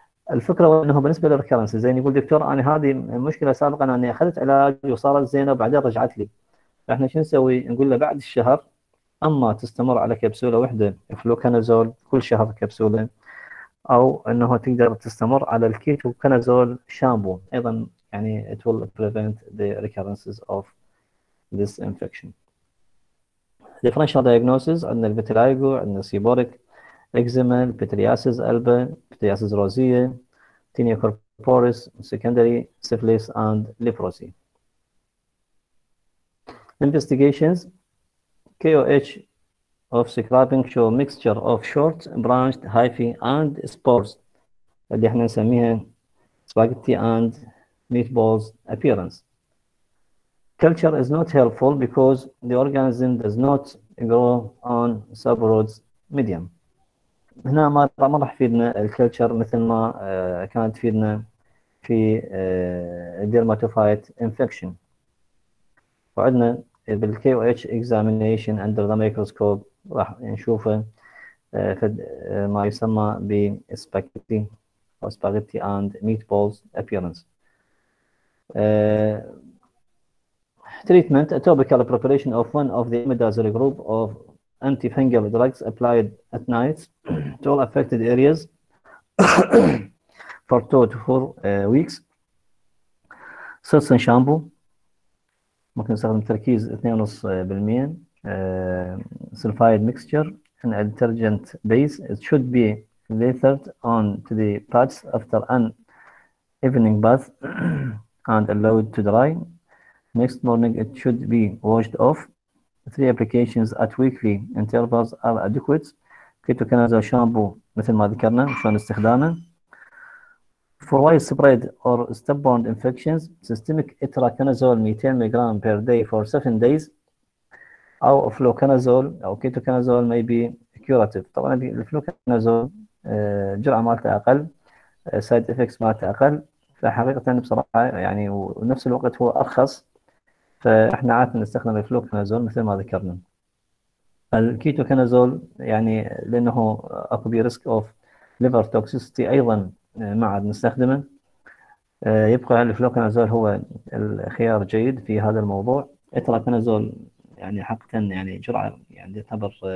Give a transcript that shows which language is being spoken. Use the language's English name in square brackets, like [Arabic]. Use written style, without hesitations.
[Arabic] الفكرة انه بالنسبة للريكرنس زي يقول دكتور انا هذه مشكلة سابقا اني اخذت علاج وصارت زينة وبعدين رجعت لي، فاحنا شو نسوي؟ نقول له بعد الشهر اما تستمر على كبسولة واحدة فلوكانازول كل شهر كبسولة، او انه تقدر تستمر على الكيتوكانازول شامبو ايضا، يعني [English] it will prevent the recurrences of this infection. [Arabic] Differential diagnosis عندنا الفيتيلايجو، عندنا سيبوريك إكزيما، البتريازيس ألبا، البتريازيس روزية، تينيا كوربوريس، سيكندري سيفليس أند ليبروسي. [English] Investigations KOH of scraping show mixture of short branched hyphae and spores [Arabic] اللي احنا نسميها [English] spaghetti and meatballs appearance. Culture is not helpful because the organism does not grow on subroots medium. [Arabic] هنا ما راح يفيدنا الكلتشر مثل ما كانت تفيدنا في الديرماتوفايت انفكشن. وعندنا بالكي او اتش اكزامينيشن اندر ذا مايكروسكوب راح نشوفه ما يسمى بسباجيتي او سباجيتي اند ميت بولز ابييرنس. [English] Treatment, a topical preparation of one of the imidazole group of antifungal drugs applied at night to all affected areas for 2 to 4 weeks. Certain shampoo, [Arabic] ممكن نستخدم تركيز 2.5%, [English] sulfide mixture, an detergent base. It should be lathered on to the pads after an evening bath and allowed to dry. Next morning it should be washed off. 3 applications at weekly intervals are adequate. [Arabic] Ketoconazole shampoo مثل ما ذكرنا شلون استخدامه. [English] For widespread or stubborn infections, systemic itraconazole 200 mg per day for 7 days [Arabic] أو فلوكانازول أو كيتوكانازول [English] may be curative. [Arabic] طبعا الفلوكانازول جرعة مالته أقل، سايد افكتس مالته أقل، فحقيقة بصراحة يعني ونفس الوقت هو أرخص، فاحنا عادة نستخدم الفلوكانازول مثل ما ذكرنا. الكيتوكانازول يعني لانه اكو بي ريسك اوف ليفر توكسيسيتي ايضا ما عاد نستخدمه، يبقى الفلوكانازول هو الخيار الجيد في هذا الموضوع. اتراكانازول يعني حقا يعني جرعة يعني تعتبر